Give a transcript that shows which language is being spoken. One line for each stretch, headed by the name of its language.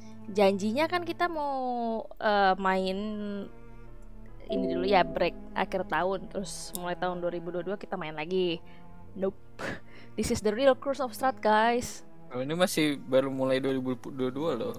Indonesian: Janjinya kan kita mau main ini dulu ya, break akhir tahun, terus mulai tahun 2022 kita main lagi.
English: Nope. This is the real Cross of Sat, guys.
Indonesian: Oh, ini masih baru mulai 2022 loh.